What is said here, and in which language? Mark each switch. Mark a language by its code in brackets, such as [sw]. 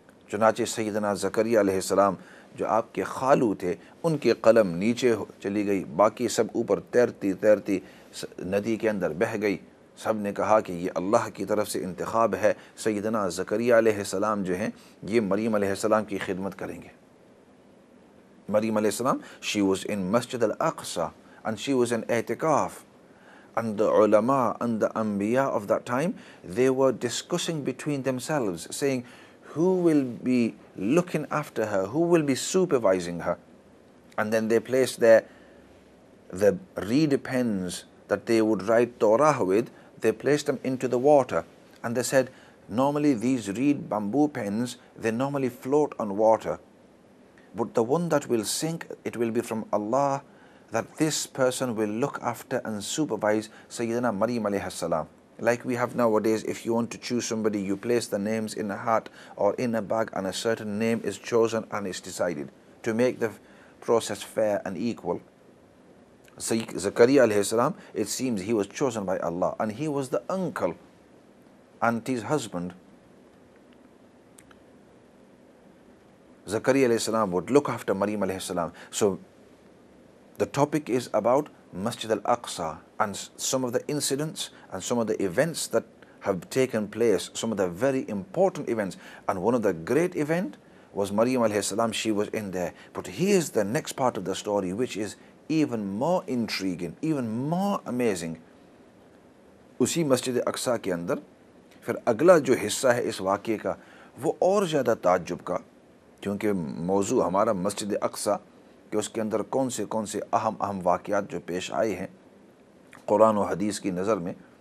[ur] چنانچہ سیدنا زکریہ علیہ السلام جو آپ کے خالو تھے, ان کی قلم نیچے چلی گئی, باقی سب اوپر تیرتی تیرتی ندی کے اندر بہہ گئی. سب نے کہا کہ یہ اللہ کی طرف سے انتخاب ہے, سیدنا زکریہ علیہ السلام جو ہیں یہ مریم علیہ السلام کی خدمت کریں گے. [en] مریم علیہ السلام, شی واز ان مسجد الاقصی اینڈ شی واز ان اعتکاف اینڈ دی علماء اینڈ دی انبیاء of that time they were discussing between themselves saying who will be looking after her, who will be supervising her, and then they place the reed pens that they would write Torah with, they placed them into the water. And they said, normally these reed bamboo pens, they normally float on water. But the one that will sink, it will be from Allah, that this person will look after and supervise Sayyidina Maryam alayhi salam. Like we have nowadays, if you want to choose somebody, you place the names in a hat or in a bag and a certain name is chosen and is decided to make the process fair and equal. Zakariya alayhi salam, it seems he was chosen by Allah and he was the uncle, auntie's husband. Zakariya alayhi salam would look after Maryam alayhi salam. So the topic is about Masjid al-Aqsa and some of the incidents and some of the events that have taken place, some of the very important events. And one of the great event was Maryam alayhi salam, she was in there. But here's the next part of the story, which is even more intriguing, even more amazing. [ur] اسی مسجد اقصیٰ کے اندر پھر اگلا جو حصہ ہے اس واقعے کا وہ اور زیادہ تعجب کا, کیونکہ موضوع ہمارا مسجد اقصیٰ کہ اس کے اندر کون سے اہم اہم واقعات جو پیش آئے ہیں قرآن و حدیث کی نظر میں.